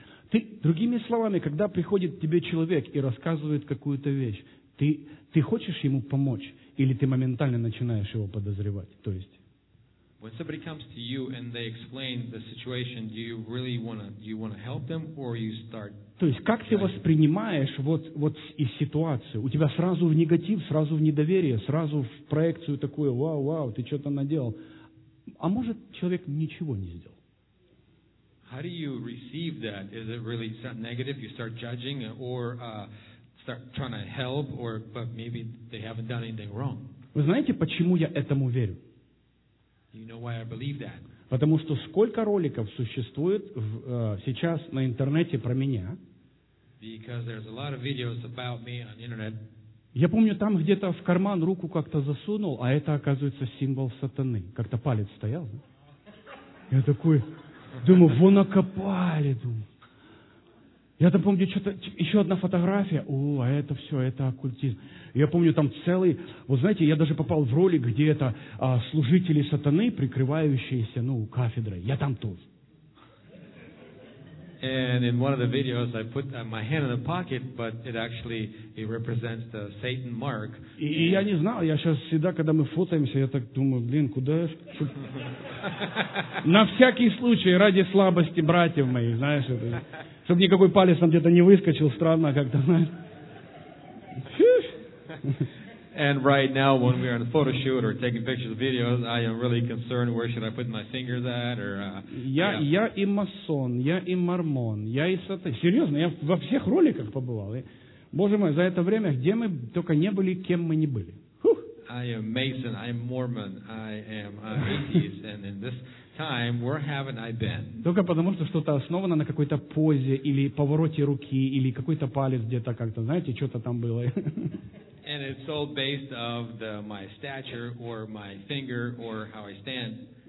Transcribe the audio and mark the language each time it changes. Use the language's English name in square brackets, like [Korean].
[Russian] Ты, другими словами, когда приходит к тебе человек и рассказывает какую-то вещь, ты хочешь ему помочь или ты моментально начинаешь его подозревать? То есть [English] when somebody comes to you and they explain the situation, do you want to help them or you start? [Russian] То есть как ты воспринимаешь вот из ситуации? У тебя сразу в негатив, сразу в недоверие, сразу в проекцию такую: вау, ты что-то наделал. А может, человек ничего не сделал? [English] How do you receive that? Is it really negative? You start judging or start trying to help, or but maybe they haven't done anything wrong? [Russian] Вы знаете, почему я этому верю? [English] You know why I believe that? [Russian] Потому что сколько роликов существует сейчас на интернете про меня? [English] Because there's a lot of videos about me on the internet. [Russian] Я помню, там где-то в карман руку как-то засунул, а это оказывается символ сатаны. Как-то палец стоял, да? Я такой, думаю, вон окопали, думаю. Я там помню, что-то еще одна фотография. О, а это все, это оккультизм. Я помню, там целый... Вот знаете, я даже попал в ролик, где это служители сатаны, прикрывающиеся, ну, кафедрой. Я там тут. [English] And in one of the videos, I put my hand in the pocket, but it actually it represents the Satan mark. [Russian] И я не знал, я сейчас всегда, когда мы фотаемся, я так думаю, блин, куда я... На всякий случай, ради слабости братьев моих, знаешь, это, чтобы никакой палец там где-то не выскочил, странно как-то, знаешь. [English] And right now, when we are on a photo shoot or taking pictures of videos, I am really concerned, where should I put my fingers at? Or, [Russian] Я и масон, я и мормон, я и сатан. Серьезно, я во всех роликах побывал. И, Боже мой, за это время, где мы только не были, кем мы не были. Фух. [English] I am Mason, I am Mormon, I am atheist, and in this time, where haven't I been? [Russian] Только потому, что что-то основано на какой-то позе, или повороте руки, или какой-то палец где-то как-то, знаете, что-то там было. [English] And it's all based of the my stature or my finger or how I stand.